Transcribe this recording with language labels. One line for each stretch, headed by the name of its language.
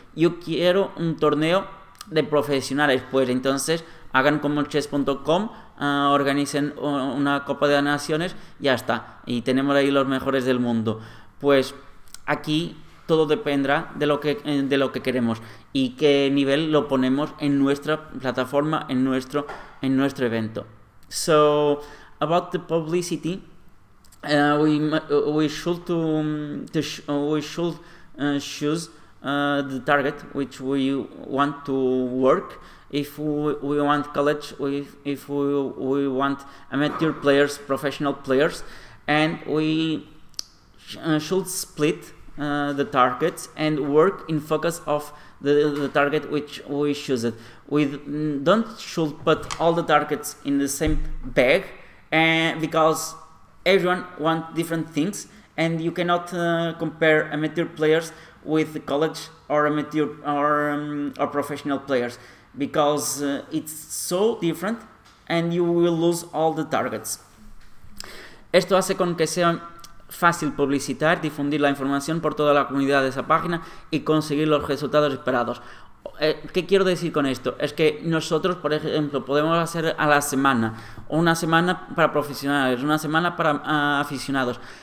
Spanish: Yo quiero un torneo de profesionales, pues entonces hagan como chess.com, organicen una Copa de Naciones, ya está, y tenemos ahí los mejores del mundo. Pues aquí todo dependerá de lo que queremos y qué nivel lo ponemos en nuestra plataforma, en nuestro evento.
English: So about the publicity, we should choose the target which we want to work. If we want college, if we want amateur players, professional players, and we should split the targets and work in focus of the target which we choose it. We don't should put all the targets in the same bag, and because everyone wants different things, and you cannot compare amateur players with college or amateur or professional players, because it's so different and you will lose all the targets.
Spanish: Esto hace con que sea fácil publicitar, difundir la información por toda la comunidad de esa página y conseguir los resultados esperados. ¿Qué quiero decir con esto? Es que nosotros, por ejemplo, podemos hacer a la semana, una semana para profesionales, una semana para aficionados.